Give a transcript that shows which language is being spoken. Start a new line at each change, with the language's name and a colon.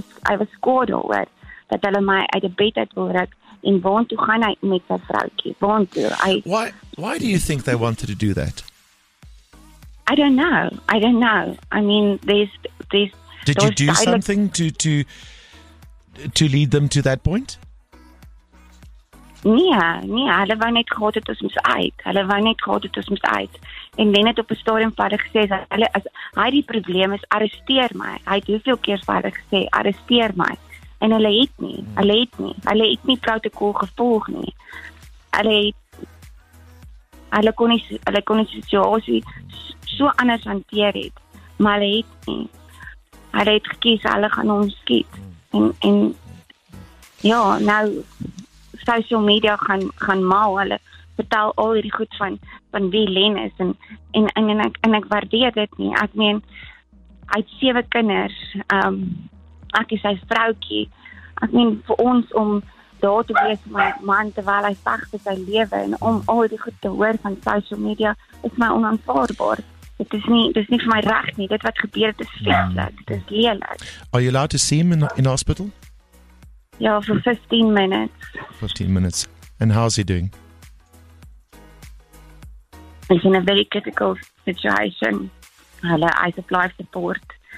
Afrikaans: I was kwaad daaroor dat hulle my uit die bed uit wil ruk. En waartoe gaan hy met sy vroutjie? Waartoe?
English: Why do you think they wanted to do that? I don't know. I mean, there's Did you do something to lead them to that point?
Afrikaans: Nee, hulle wou net gehad het ons moet uit. En Len het op 'n stadium vir hulle gesê, as hy die probleem is, arresteer my. Hy het hoeveel keer vir hulle gesê, arresteer my. En hulle het nie, Hulle het nie protokol gevolg nie. Hulle kon nie die situasie so anders hanteer het. Maar hy het nie. Hy het gekies, hulle gaan hom skiet. En ja, nou social media gaan mal, hulle vertel al hierdie goed van wie Len is en ek waardeer dit nie. Ek meen, hy het 7 kinders, ek is sy vroukie. Ek meen, vir ons om daar te wees, my man, terwyl hy vecht vir sy lewe, en om al die goed te hoor van social media, is my onaanvaardbaar. Dit is nie vir my reg nie. Dit wat gebeur, dit is vreselik. Dit is lelik.
English: Are you allowed to see him in hospital? Ja, for 15 minutes. 15 minutes. And how's he doing? He's in a very critical situation.
Afrikaans: Hulle, hy's op
English: life support.